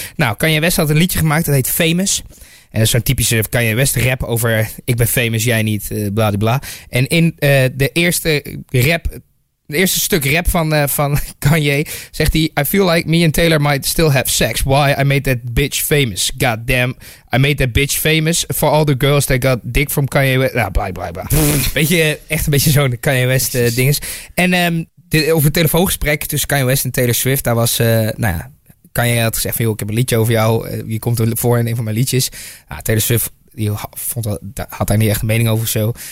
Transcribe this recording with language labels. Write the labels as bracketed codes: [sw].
[nl] Nou, Kanye West had een liedje gemaakt, dat heet Famous. En dat is zo'n typische Kanye West rap over ik ben famous, jij niet, bla bla. En in de eerste rap Het eerste stuk rap van Kanye zegt hij: [en] I feel like me and Taylor might still have sex. Why? I made that bitch famous. God damn. I made that bitch famous for all the girls that got dick from Kanye West. [nl] Nou, bla bla bla. Beetje, echt een beetje zo'n Kanye West ding is. En over het telefoongesprek tussen Kanye West en Taylor Swift, daar was, nou ja, Kanye had gezegd van, joh, ik heb een liedje over jou. Je komt ervoor in een van mijn liedjes. Nou, Taylor Swift die had daar niet echt een mening over of zo.